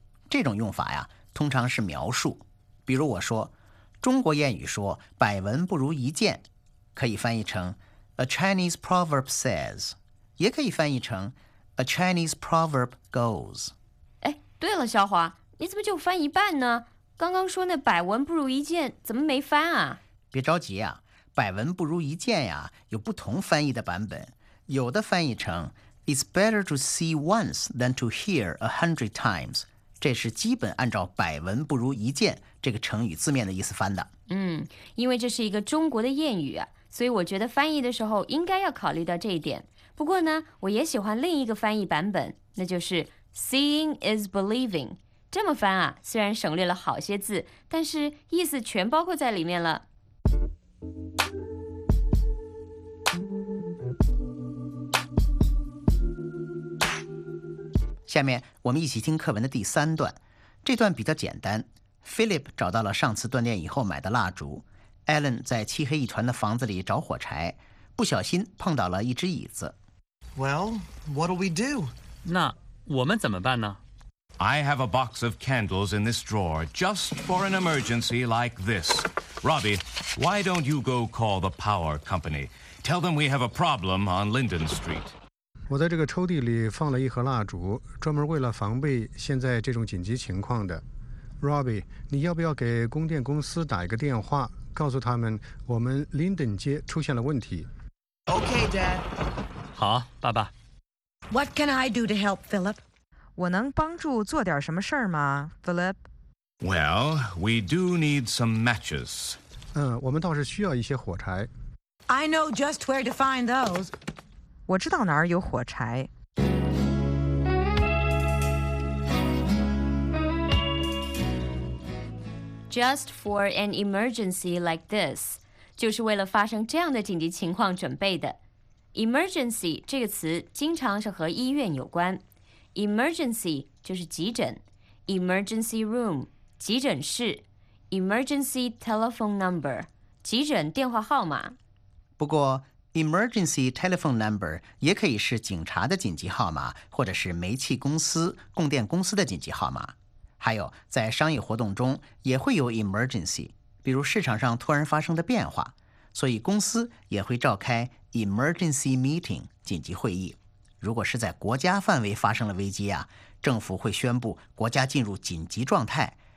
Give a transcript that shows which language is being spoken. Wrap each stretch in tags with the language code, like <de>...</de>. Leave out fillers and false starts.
<zh>这种用法呀通常是描述比如我说中国谚语说百闻不如一见可以翻译成</zh> <en>A Chinese proverb says,</en> <zh>也可以翻译成</zh> <en>A Chinese proverb goes.</en> <zh>哎，对了，小华，你怎么就翻一半呢？刚刚说那百闻不如一见，怎么没翻啊？别着急啊，百闻不如一见呀，有不同翻译的版本。有的翻译成</zh> <en>It's better to see once than to hear 100 times.</en> <zh>这是基本按照百闻不如一见这个成语字面的意思翻的。嗯，因为这是一个中国的谚语啊。所以我觉得翻译的时候应该要考虑到这一点。不过呢，我也喜欢另一个翻译版本，那就是</zh> <en>Seeing is believing。</en> <zh>这么翻啊，虽然省略了好些字，但是意思全包括在里面了。下面我们一起听课文的第三段。这段比较简单。 Philip 找到了上次断电以后买的蜡烛。Ellen 在漆黑一团的房子里找火柴，不小心碰到了一只椅子。</zh> <en>Well, what'll we do?</en> <zh>那我们怎么办呢</zh> <en>？I have a box of candles in this drawer, just for an emergency like this. Robbie, why don't you go call the power company? Tell them we have a problem on Linden Street.</en> <zh>我在这个抽屉里放了一盒蜡烛，专门为了防备现在这种紧急情况的。 Robbie, 你要不要给供电公司打一个电话？告诉他们我们林顿街出现了问题。</zh> <en>Okay, Dad.</en> <zh>好，爸爸。</zh> <en>What can I do to help, Philip?</en> <zh>我能帮助做点什么事儿吗 ，Philip?</zh> <en>Well, we do need some matches.</en> <zh>我们倒是需要一些火柴。</zh> <en>I know just where to find those.</en> <zh>我知道哪儿有火柴。</zh> <en>Just for an emergency like this,</en> <zh>就是为了发生这样的紧急情况准备的。 Emergency 这个词经常是和医院有关。 Emergency 就是急诊。</zh> <en>Emergency room,</en> <zh>急诊室。</zh> <en>Emergency telephone number,</en> <zh>急诊电话号码。不过 ,emergency telephone number 也可以是警察的紧急号码或者是煤气公司、供电公司的紧急号码。还有在商业活动中也会有 emergency 比如市场上突然发生的变化所以公司也会召开 emergency meeting 紧急会议如果是在国家范围发生了危机啊政府会宣布国家进入紧急状态</zh>